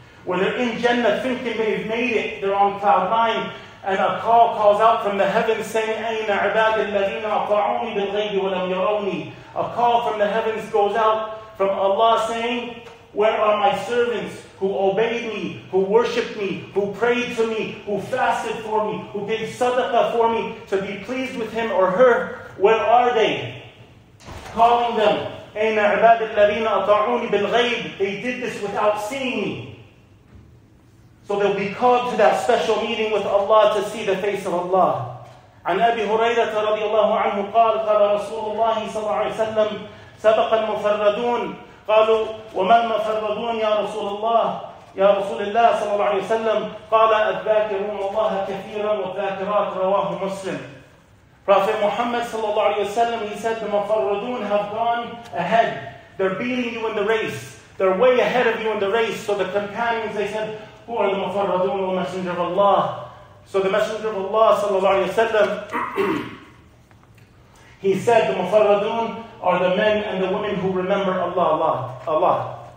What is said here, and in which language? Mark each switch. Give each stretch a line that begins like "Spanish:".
English: When they're in Jannah thinking they've made it, they're on cloud nine, and a call calls out from the heavens saying,
Arabic: أَيْنَ عِبَادِ الَّذِينَ أَطَعُونِي بِالْغَيْبِ وَلَمْ يَرَوْنِي.
English: A call from the heavens goes out from Allah saying, where are my servants who obeyed me, who worshipped me, who prayed to me, who fasted for me, who gave sadaqah for me to be pleased with him or her? Where are they? Calling them,
Arabic: أَيْنَ عِبَادِ الَّذِينَ أَطَعُونِي بِالْغَيْبِ.
English: They did this without seeing me. So they'll be called to that special meeting with Allah to see the face of Allah.
Arabic: عن أبي هريرة رضي الله عنه قال قال رسول الله صلى الله عليه وسلم سبق المفردون قالوا وما المفردون يا رسول الله يا رسول الله صلى الله عليه وسلم قال الذاكرون الله كثيرا والذاكرات رواه مسلم.
English: Prophet Muhammad sallallahu alayhi wa sallam, he said, the mufarradun have gone ahead. They're beating you in the race. They're way ahead of you in the race. So the companions, they said, who are the mufarradun, the Messenger of Allah? So the Messenger of Allah sallallahu alayhi wa sallam, he said, the mufarradun are the men and the women who remember Allah, Allah, Allah.